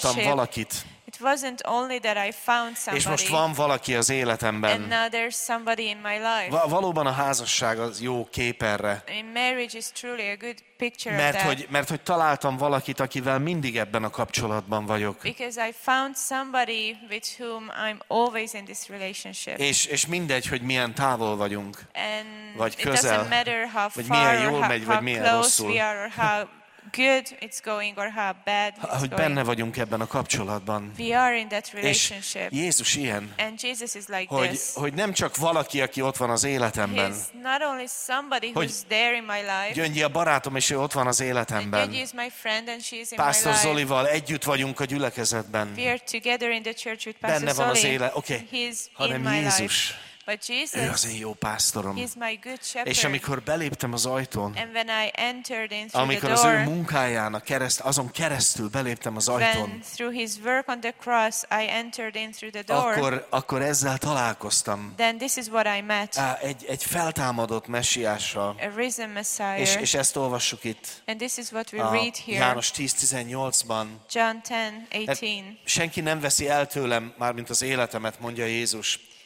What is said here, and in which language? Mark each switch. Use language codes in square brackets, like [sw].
[hu] Találtam valakit. [en] It wasn't only that I found somebody. [hu] És most van valaki az életemben. [en] And now there's somebody in my life. [hu] Valóban a házasság az jó kép erre. [en] I mean, marriage is truly a good picture [hu] mert [en] of that. [hu] Mert hogy találtam valakit, akivel mindig ebben a kapcsolatban vagyok. [en] Because I found somebody with whom I'm always in this relationship. [hu] És mindegy, hogy milyen távol vagyunk. [en] And [hu] vagy közel. [en] It doesn't matter how far, [hu] vagy milyen jól megy, [en] how [hu] vagy milyen rosszul. [en] Good, it's going or how bad it's going. [hu] Hogy benne vagyunk ebben a kapcsolatban. [en] We are in that relationship. [hu] És Jézus ilyen. [en] And Jesus is like [hu] hogy, [en] this. [hu] Hogy nem csak valaki, aki ott van az életemben. [en] He's not only somebody who's there in my life. [hu] Gyöngyi a barátom, és ő ott van az életemben. [en] And Gyöngyi is my friend, and she's in my life. [hu] Pásztor Zolival együtt vagyunk a gyülekezetben. [en] We are together in the church with Pastor [hu] benne [en] Zoli. [hu] Van az élet. Okay. [en] He's [hu] hanem [en] in my [hu] Jézus. [en] Life. But Jesus, [hu] ő az én jó pásztorom. [en] He's my good shepherd. [hu] És amikor beléptem az ajtón, [en] and when I entered in through [hu] amikor [en] the door, [hu] az ő munkáján, azon keresztül beléptem az ajtón, [en] when through his work on the cross, I entered in through the door, [hu] akkor ezzel találkoztam. [en] Then this is what I met. [hu] Egy feltámadott messiással. [en] A risen Messiah. [hu] És ezt olvassuk itt. [en] And this is what we read here. [hu] János 10:18-ban. [en] John 10:18. [hu] Senki nem veszi el tőlem, mármint az életemet, mondja Jézus.